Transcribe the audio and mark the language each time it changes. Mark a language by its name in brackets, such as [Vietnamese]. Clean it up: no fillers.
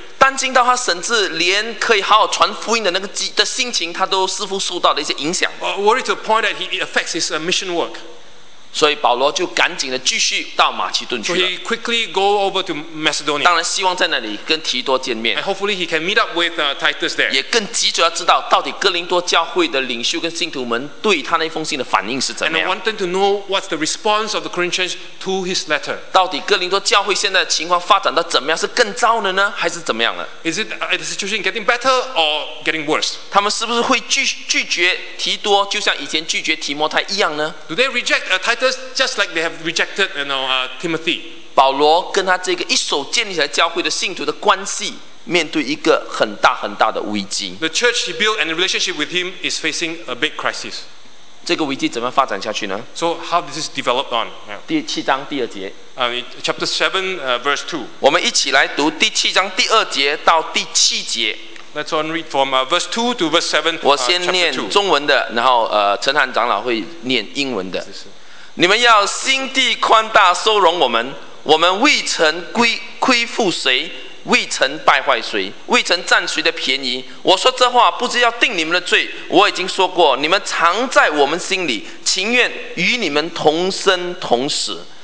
[Chinese] 担心到他甚至连可以好好传福音的那个的心情，他都似乎受到了一些影响。 [English] Worried to a point that he affects his mission work. [Chinese] 所以保罗就赶紧的继续到马其顿去了。 [English] So he quickly go over to Macedonia. [Chinese] 当然希望在那里跟提多见面 [English] ，and hopefully he can meet up with Titus there. [Chinese] 也更急着要知道到底哥林多教会的领袖跟信徒们对他那封信的反应是怎么样。 [English] And wanting to know what's the response of the Corinthians. To his letter. [Chinese] 到底哥林多教会现在的情况发展到怎么样？是更糟了呢，还是怎么样了 [English] ？Is it the situation getting better or getting worse? [Chinese] 他们是不是会拒绝提多，就像以前拒绝提摩太一样呢 [English] ？Do they reject Titus just like they have rejected, you know, Timothy? [Chinese] 保罗跟他这个一手建立起来教会的信徒的关系，面对一个很大很大的危机。 [English] The church he built and the relationship with him is facing a big crisis. [Chinese] 这个危机怎么发展下去呢？ [English] So how does this develop on? [Chinese] 第七章第二节。 [English] Chapter 7, verse 2. [Chinese] 我们一起来读第七章第二节到第七节。 [English] Let's all read from verse 2 to verse 7. [Chinese] 我先念中文的，然后陈汉长老会念英文的。你们要心地宽大，收容我们。我们未曾亏负谁，未曾败坏谁，未曾占谁的便宜。我说这话不是要定你们的罪，我已经说过，你们藏在我们心里，情愿与你们同生同死。